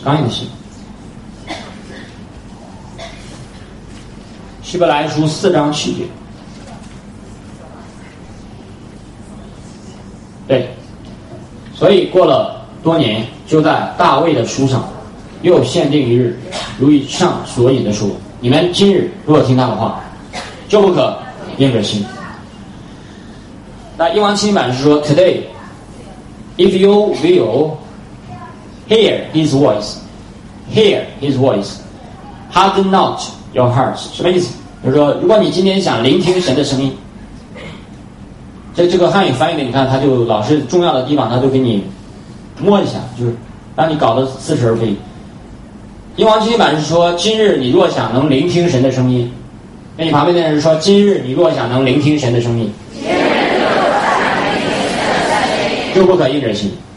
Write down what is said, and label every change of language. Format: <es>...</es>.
<zh>刚硬的心，希伯来书四章七节，对，所以过了多年，就在大卫的书上又限定一日，如以上所引的书，你们今日若听他的话，就不可硬着心。那英文新版是说</zh> <en>Today if you will hear his voice, hear his voice, harden not your hearts.</en> <zh>什么意思？就是说如果你今天想聆听神的声音，这个汉语翻译的，你看他就老是重要的地方他就给你摸一下，就是让你搞得似是而非。英文新版是说，今日你若想能聆听神的声音，跟你旁边的人说，今日你若想能聆听神的声音，就不可硬着心。</zh>